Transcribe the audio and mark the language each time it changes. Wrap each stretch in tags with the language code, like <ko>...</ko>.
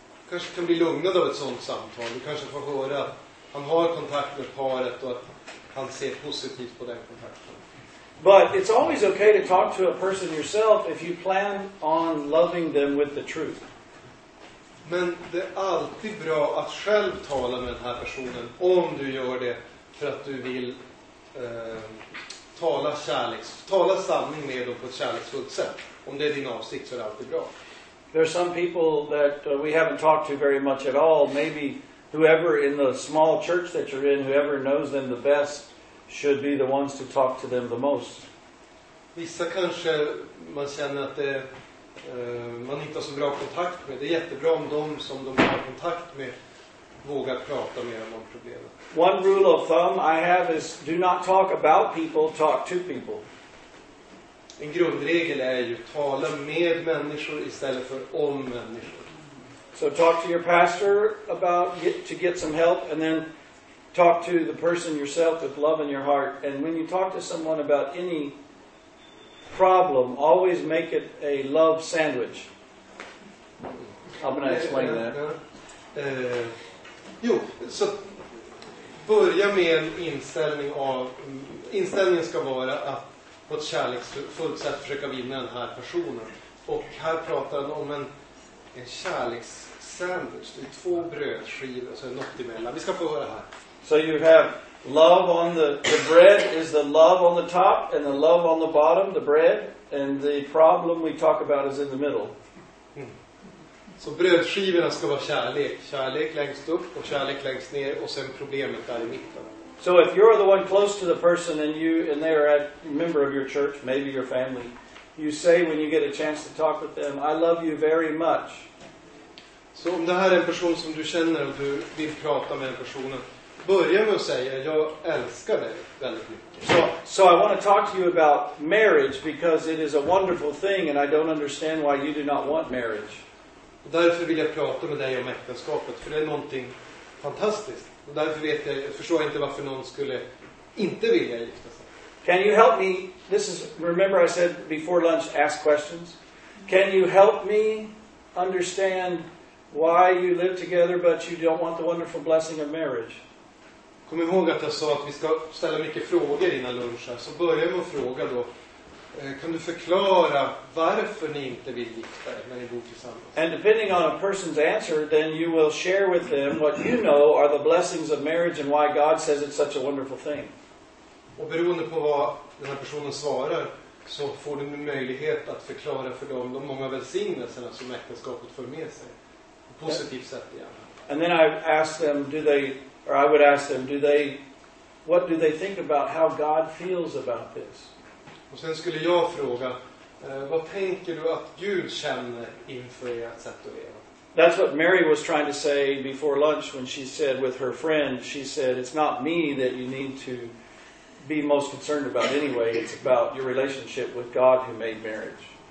<sv>Kanske kan bli lugnad av ett sånt samtal. Du kanske får höra att han har kontakt med paret och att han ser positivt på den kontakten.</sv> <en>But it's always okay to talk to a person yourself if you plan on loving them with the truth.</en> <sv>Men det är alltid bra att själv tala med den här personen om du gör det för att du vill tala sanning med dem på ett kärleksfullt sätt. Om det är din avsikt så är det alltid bra.</sv> <en>There are some people that we haven't talked to very much at all. Maybe whoever in the small church that you're in, whoever knows them the best, should be the ones to talk to them the most.</en> <sv>Vissa kanske man känner att det, man inte har så bra kontakt med. Det är jättebra om de som de har kontakt med vågar prata mer om problemet.</sv> <en>One rule of thumb I have is do not talk about people, talk to people.</en> <sv>En grundregel är ju tala med människor istället för om människor.</sv> <en>So talk to your pastor about to get some help and then talk to the person yourself with love in your heart. And when you talk to someone about any problem, always make it a love sandwich. I'm going to explain that.</en> <sv>Jo, så börja med en inställning av, inställningen ska vara att på ett kärleksfullt sätt försöka vinna den här personen. Och här pratar han om en kärlekssandwich. Det är två brödskivor och så något emellan. Vi ska få höra här.</sv> <en>So you have love on the bread is the love on the top and the love on the bottom, the bread. And the problem we talk about is in the middle.</en> <sv>Så brödskivorna ska vara kärlek. Kärlek längst upp och kärlek längst ner och sen problemet där i mitten.</sv> <en>So if you're the one close to the person and you and they are a member of your church, maybe your family, you say when you get a chance to talk with them, I love you very much.</en> <sv>Så om det här är en person som du känner och du vill prata med den personen, börja med att säga jag älskar dig väldigt mycket.</sv> <en>So I want to talk to you about marriage because it is a wonderful thing and I don't understand why you do not want marriage.</en> <sv>Och därför vill jag prata med dig om äktenskapet, för det är någonting fantastiskt. Och därför vet jag, förstår jag inte varför någon skulle inte vilja gifta sig.</sv> <en>Can you help me? This is, remember I said before lunch, ask questions. Can you help me understand why you live together but you don't want the wonderful blessing of marriage?</en> <sv>Kom ihåg att jag sa att vi ska ställa mycket frågor innan lunch här. Så börja med att fråga då. Kan du förklara varför ni inte vill gifta er när ni bor tillsammans?</sv> <en>And depending on a person's answer, then you will share with them what you know are the blessings of marriage and why God says it's such a wonderful thing.</en> <sv>Och beroende på vad den här personen svarar så får du möjlighet att förklara för dem de många välsignelserna som äktenskapet för med sig. På positivt sätt igen.</sv> <en>And then I ask them, what do they think about how God feels about this?</en> <sv>Och sen skulle jag fråga, vad tänker du att Gud känner inför ert sätt att leva?</sv> <en>That's what Mary was trying to say before lunch when she said with her friend, she said, it's not me that you need to be most concerned about anyway, it's about your relationship with God who made marriage.</en>